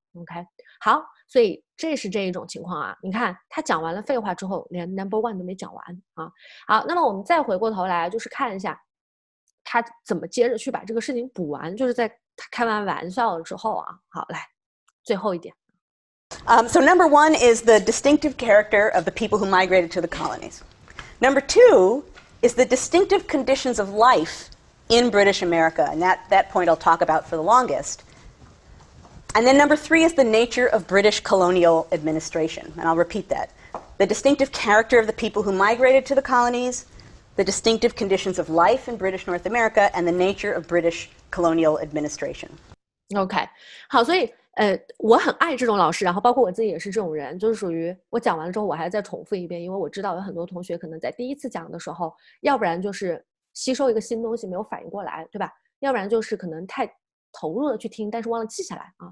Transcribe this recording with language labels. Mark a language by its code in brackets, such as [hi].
[zh] OK， 好，所以这是这一种情况啊。你看他讲完了废话之后连 [en] number one [zh] 都没讲完啊。好，那么我们再回过头来就是看一下他怎么接着去把这个事情补完，就是在他开完玩笑了之后啊。好，来最后一点。 [en] So number one is the distinctive character of the people who migrated to the colonies. Number two is the distinctive conditions of life in British America. And that point I'll talk about for the longest. And then number three is the nature of British colonial administration. And I'll repeat that. The distinctive character of the people who migrated to the colonies, the distinctive conditions of life in British North America, and the nature of British colonial administration. [zh] OK, 好，所以我很爱这种老师，然后包括我自己也是这种人，就是属于我讲完了之后我还要再重复一遍，因为我知道有很多同学可能在第一次讲的时候，要不然就是吸收一个新东西没有反应过来，对吧？要不然就是可能太投入的去听但是忘了记下来啊。